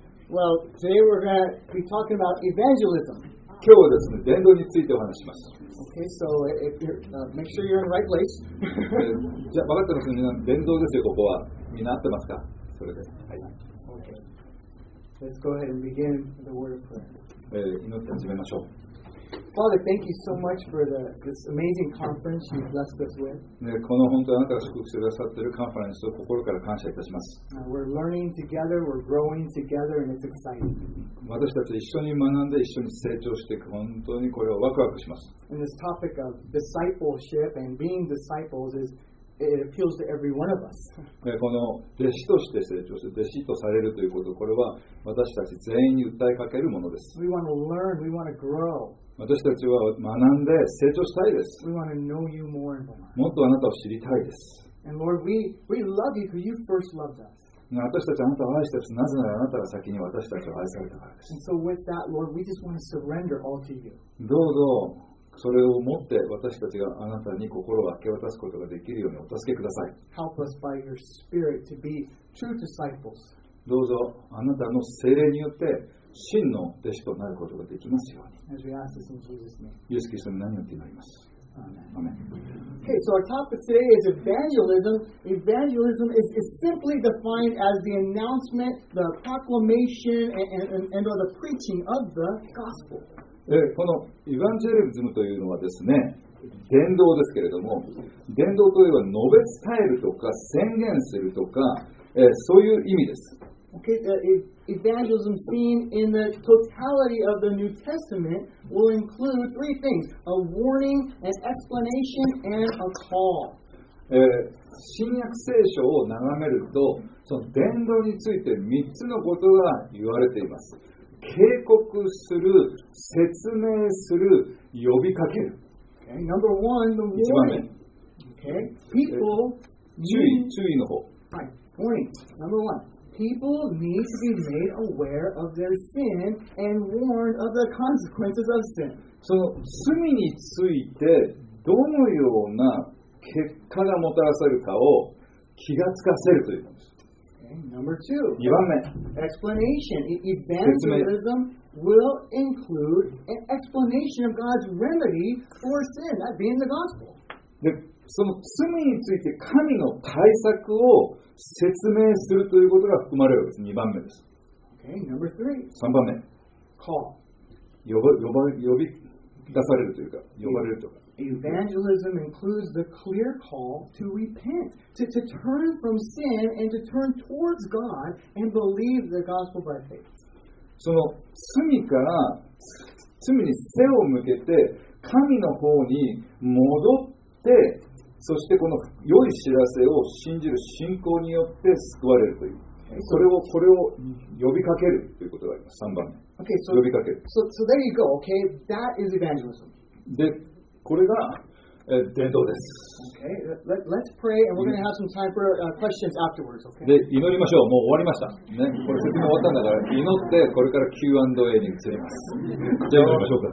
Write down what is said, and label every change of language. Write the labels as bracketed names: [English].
[English] Well, today we're going to be talking about evangelism. [Japanese] 今日はですね、伝道についてお話します。 [English] Okay, so if you're, make sure you're in the right place. [Japanese] じゃあ、分かってますね。伝道ですよ、ここは。みんな合ってますか？それで。はい。 [English] Okay. Let's go ahead and begin the word of prayer. [Japanese] 祈って始めましょう。 [English] Father, thank you so much for this amazing conference you blessed us with. [Japanese] この本当にあなたが祝福してくださっているカンファレンスを心から感謝いたします。 [English] We're learning together, we're growing together, and it's exciting. [Japanese] 私たち一緒に学んで一緒に成長していく、本当にこれをワクワクします。 [English] And this topic of discipleship and being disciples is it appeals to every one of us. [Japanese] この弟子として成長して弟子とされるということ、これは私たち全員に訴えかけるものです。 [English] We want to learn, we want to grow. [Japanese] 私たちは学んで成長したいです。 [English] We want to know you more and more. [Japanese] もっとあなたを知りたいです。 [English] And Lord, we love you because you first loved us. [Japanese] 私たちはあなたを愛したし、なぜならあなたが先に私たちを愛されたからです。 [English] And so with that, Lord, we just want to surrender all to you. [Japanese] どうぞそれを持って私たちがあなたに心を明け渡すことができるようにお助けください。 [English] Help us by your spirit to be true disciples. [Japanese] どうぞあなたの聖霊によって真の弟子となることができますように。イエス・キリストの名によって祈ります。アーメン。 [English] Okay, so our topic today is evangelism. Evangelism is simply defined as the announcement, the proclamation, and or the preaching of the gospel. [Japanese] このエヴァンジェリズムというのはですね、伝道ですけれども、伝道といえば述べ伝えるとか宣言するとか、そういう意味です。 [English] Okay, the evangelism theme in the totality of the New Testament will include three things: a warning, an explanation, and a call. [Japanese] 新約聖書を眺めると、その伝道について3つのことが言われています。警告する、説明する、呼びかける。 [English] Okay, number one, the warning. [Japanese] 一番目。 [English] Okay, people. [Japanese] 注意の方。 [English] はい、warning. Number one. People need to be made aware of their sin and warned of the consequences of sin. [Japanese] その罪についてどのような結果がもたらされるかを気がつかせるということです。 [English] Number two. [Japanese] 2番目。 [English] Explanation. Evangelism will include an explanation of God's remedy for sin, that being the gospel. [Japanese] で、その罪について神の対策を説明するということが含まれるわけです。2番目です。 [English] Okay, number three. [Japanese] 3番目。 [English] Call. [Japanese] 呼び出されるというか、呼ばれるとか。 [English] Evangelism includes the clear call to repent, to turn from sin and to turn towards God and believe the gospel by faith. [Japanese] その罪から、罪に背を向けて、神の方に戻って、そしてこの良い知らせを信じる信仰によって救われるという、これを呼びかけるということがあります。 3番目。 [English] Okay, so, [Japanese] 呼びかける。 [English] So there you go. Okay, that is evangelism. [Japanese] で、これが伝道です。 [English] Okay, let's pray and we're going to have some time for questions afterwards. Okay. [Japanese] で、祈りましょう。もう終わりました。ね、これ説明終わったんだから祈ってこれから Q&A に移ります。じゃあ祈りましょうか。